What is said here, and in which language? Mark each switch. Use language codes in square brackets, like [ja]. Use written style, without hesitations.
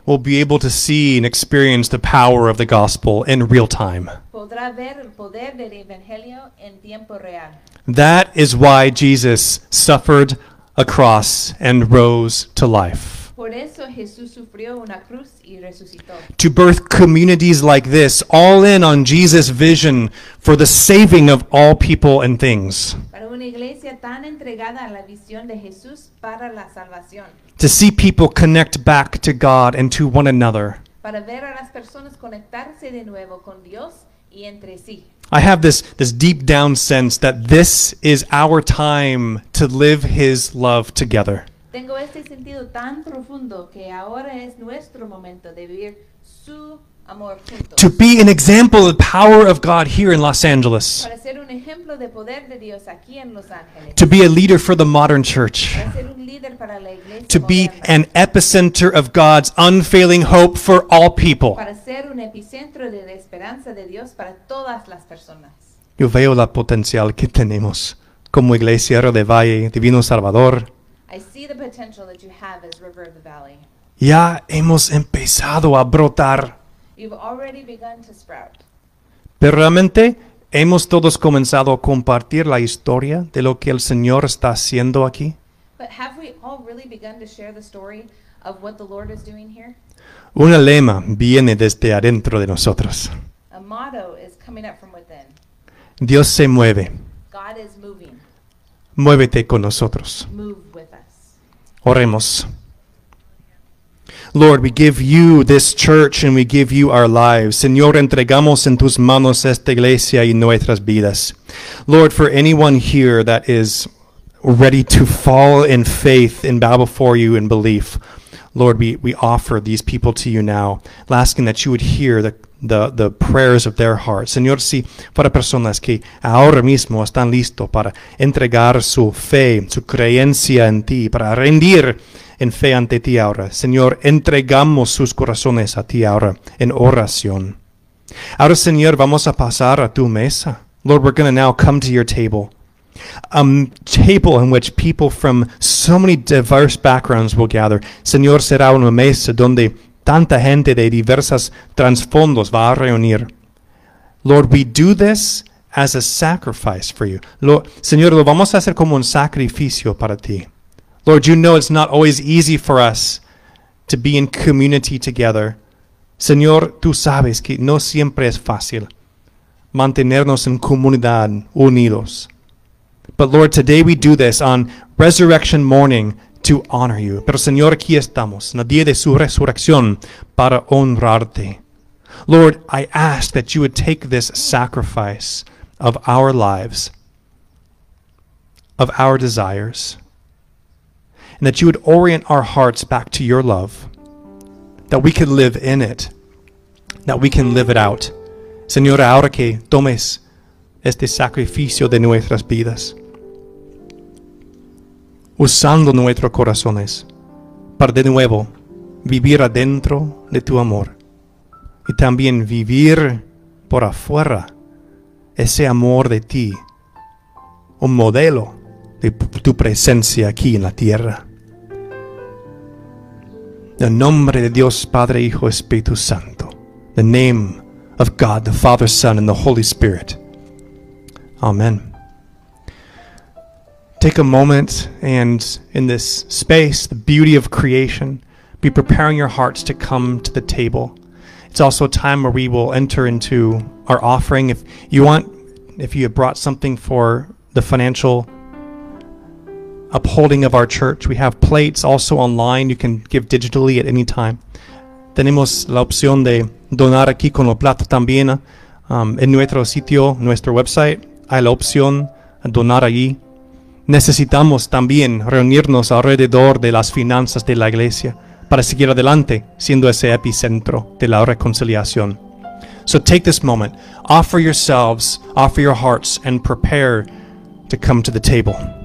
[en] Will be able to see and experience the power of the gospel in real time. [es] podrá ver el poder del evangelio en tiempo real. [en] That is why Jesus suffered a cross and rose to life. [es] Por eso Jesús sufrió una cruz y resucitó. [en] To birth communities like this, all in on Jesus' vision for the saving of all people and things. [es] Para una iglesia tan entregada a la visión de Jesús para la salvación. [en] To see people connect back to God and to one another. [es] Para ver a las personas conectarse de nuevo con Dios y entre sí. [en] I have this deep down sense that this is our time to live His love together. [es] Tengo este sentido tan profundo que ahora es nuestro momento de vivir su amor juntos. [en] To be an example of the power of God here in Los Angeles. [es] Para ser un ejemplo de poder de Dios aquí en Los Ángeles. [en] To be a leader for the modern church. [es] Para ser un líder para la iglesia moderna. [en] To be an epicenter of God's unfailing hope for all people. [es] Para ser un epicentro de la esperanza de Dios para todas las personas. Yo veo la potencial que tenemos como iglesia de Valle Divino Salvador. [en] I see the potential that you have as River of the Valley. [es] Ya hemos empezado a brotar. [en] You've already begun to sprout. [es] Pero realmente hemos todos comenzado a compartir la historia de lo que el Señor está haciendo aquí. [en] But have we all really begun to share the story of what the Lord is doing here? [es] Un lema viene desde adentro de nosotros. [en] A motto is coming up from within. [es] Dios se mueve. [en] God is moving. [es] Muévete con nosotros. [en] Move with us. [es] Oremos. [en] Lord, we give you this church and we give you our lives. [es] Señor, entregamos en tus manos esta iglesia y nuestras vidas. [en] Lord, for anyone here that is ready to fall in faith and bow before you in belief, Lord, we offer these people to you now, asking that you would hear the prayers of their hearts. [es] Señor, si para personas que ahora mismo están listos para entregar su fe, su creencia en ti, para rendir en fe ante ti ahora. Señor, entregamos sus corazones a ti ahora en oración. Ahora, Señor, vamos a pasar a tu mesa. [en] Lord, we're going to now come to your table. A table in which people from so many diverse backgrounds will gather. [es] Señor, será una mesa donde tanta gente de diversas trasfondos va a reunir. [en] Lord, we do this as a sacrifice for you. [es] Señor, lo vamos a hacer como un sacrificio para ti. [en] Lord, you know it's not always easy for us to be in community together. [es] Señor, tú sabes que no siempre es fácil mantenernos en comunidad unidos. [en] But Lord, today we do this on resurrection morning to honor you. [es] Pero Señor, aquí estamos, en el día de su resurrección, para honrarte. [en] Lord, I ask that you would take this sacrifice of our lives, of our desires, and that you would orient our hearts back to your love, that we could live in it, that we can live it out. [es] Señor, ahora que tomes este sacrificio de nuestras vidas, usando nuestros corazones para de nuevo vivir adentro de tu amor y también vivir por afuera ese amor de ti, un modelo de tu presencia aquí en la tierra. En el nombre de Dios Padre, Hijo, Espíritu Santo. [en] The name of God, the Father, Son, and the Holy Spirit. Amen. Take a moment and in this space, the beauty of creation, be preparing your hearts to come to the table. It's also a time where we will enter into our offering. If you want, if you have brought something for the financial upholding of our church, we have plates also online. You can give digitally at any time. [es] Tenemos la opción de donar aquí con los platos también. En nuestro sitio, nuestro website, hay la opción de donar allí. Necesitamos también reunirnos alrededor de las finanzas de la iglesia para seguir adelante siendo ese epicentro de la reconciliación. [en] So take this moment, offer yourselves, offer your hearts, and prepare to come to the table.